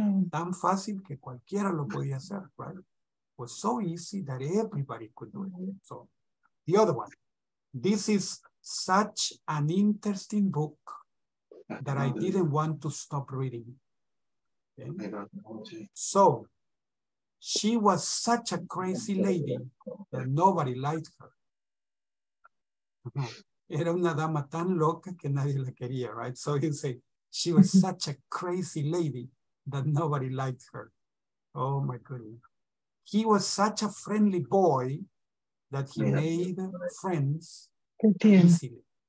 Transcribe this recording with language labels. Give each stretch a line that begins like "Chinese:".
Spanish: Tan fácil que cualquiera lo podía hacer, right?
English: Was so easy that everybody could do it. So the other one, this is such an interesting book that I didn't want to stop reading. Okay? So she was such a crazy lady that nobody liked her.
Spanish: Era una dama tan loca que nadie la quería, right?
English: So you say, she was such a crazy lady that nobody liked her. Oh my goodness. He was such a friendly boy that he made friends easily.